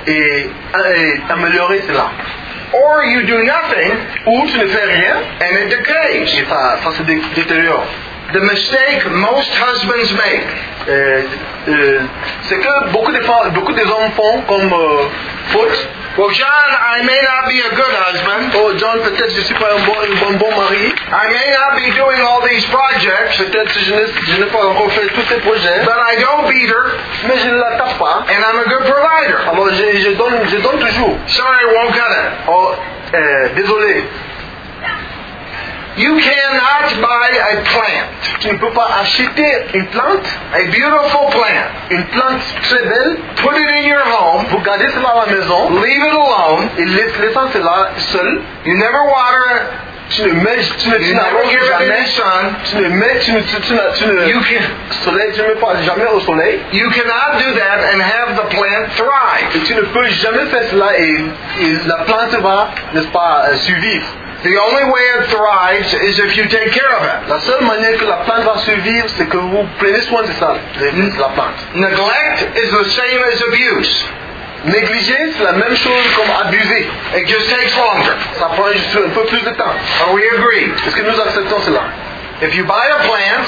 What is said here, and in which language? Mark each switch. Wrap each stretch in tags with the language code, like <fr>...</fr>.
<fr>et améliorer cela.</fr> <en>Or you do nothing,</en> <fr>ou tu ne fais rien</fr> <en>and it decays.</en> <fr>Et ça se détériore.</fr> <en>The mistake most husbands make.</en> <fr>C'est que beaucoup des hommes font comme faute.</fr> <en>Well, John, I may not be a good husband.</en> <fr>Oh, John, peut-être je ne suis pas un bon mari.</fr> <en>I may not be doing all these projects.</en> <fr>Peut-être je n'ai pas encore fait tous ces projets.</fr> <en>But I don't beat her.</en> <fr>Mais je ne la tape pas.</fr> <en>And I'm a good provider.</en> <fr>Alors je donne toujours.</fr> <en>Sorry, I won't cut it.</en> <fr>Oh, désolé.</fr> <en>You cannot buy a plant.</en> <fr>Tu ne peux pas acheter une plante.</fr> <en>A beautiful plant.</en> <fr>Une plante très belle.</fr> <en>Put it in your home.</en> <fr>Vous gardez cela à la maison.</fr> <en>Leave it alone.</en> <fr>Et laissez cela seul.</fr> <en>You never water it.</en> <fr>Tu ne mets jamais au soleil.</fr> <en>You cannot do that and have the plant thrive.</en> <fr>Et tu ne peux jamais faire cela et la plante va, n'est-ce pas, survivre.</fr> <en>The only way it thrives is if you take care of it.</en> <fr>La seule manière que la plante va survivre, c'est que vous prenez soin de ça, la plante.</fr> <en>Neglect is the same as abuse.</en> <fr>Négliger, c'est la même chose comme abuser.</fr> <en>It just takes longer.</en> <fr>Ça prend juste un peu plus de temps.</fr> <en>Are we agreed?</en> <fr>Est-ce que nous acceptons cela?</fr> <en>If you buy a plant,</en>